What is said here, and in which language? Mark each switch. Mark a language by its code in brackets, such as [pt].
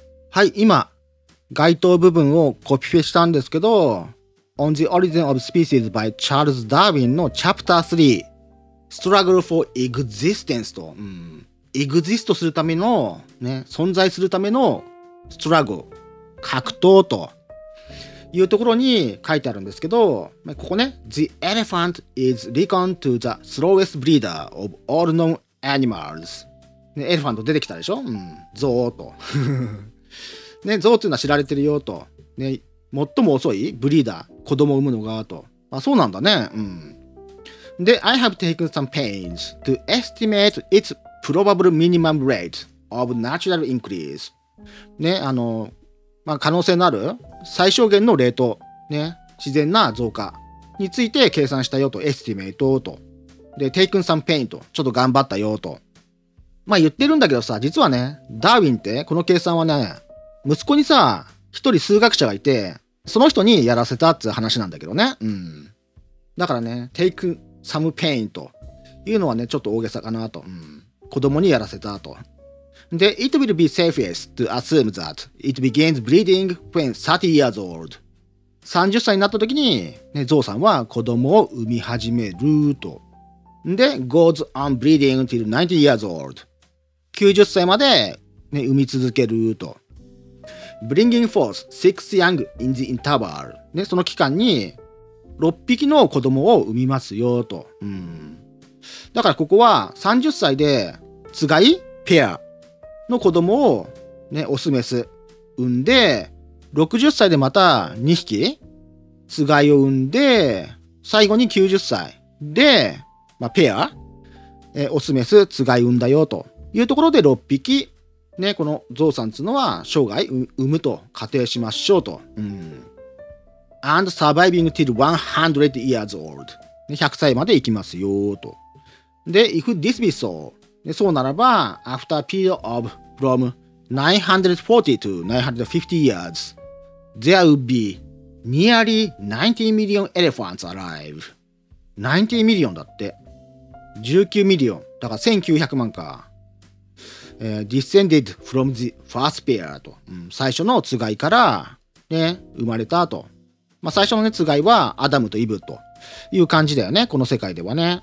[ja] はい、今、該当部分をコピペしたんですけど、On the Origin of Species by Charles Darwin の Chapter 3, Struggle for Existence と、エグジストするための、ね、存在するためのストラグル、格闘と、いうところに書いてあるんですけど、ここね、 The elephant is reckoned to the slowest breeder of all known animals。ね、エレファント出てきたでしょ？ゾウと。ね、ゾウっていうのは知られてるよと。ね、最も遅いブリーダー、子供を産むのがと。あ、そうなんだね。 [en] で、I have taken some pains to estimate its probable minimum rate of natural increase。 [ja] ね、まあ、可能性のある最小限のレート、ね、自然な増加について計算したよと、エスティメイトと。で、 taken some pain と、ちょっと頑張ったよと。まあ言ってるんだけどさ、実はね、ダーウィンってこの計算はね、息子にさ、一人数学者がいて、その人にやらせたっていう話なんだけどね。だからね、 taken some pain というのはね、ちょっと大げさかなと。子供にやらせたと。 [en] で、It will be safest to assume that it begins breeding when 30 years old. [ja] 30歳になった時に、ね、ゾウさんは子供を産み始めると。 [en] で、goes on breeding till 90 years old. [ja] 90歳まで、ね、産み続けると。 Bringing forth 6 young in the interval.、ね、その期間に6匹の子供を産みますよと。うん、だからここは30歳でつがいペアの子供を、ね、オスメス産んで60歳でまた2匹つがいを産んで最後に90歳で、まあ、ペアオスメスつがい産んだよというところで6匹、ね、このゾウさんつのは生涯産むと仮定しましょうと、うん、 And surviving till 100 years old 100歳まで生きますよと。 [en] で、if this be so, そうならば、 after a period of from 940 to 950 years, there would be nearly 90 million elephants alive. 90 million だって。 19 million。だから1900万か。 descended from the first pair と。 [ja] うん、最初のつがいから、ね、生まれたと。まあ、最初のつがいはアダムとイブという感じだよね。この世界ではね。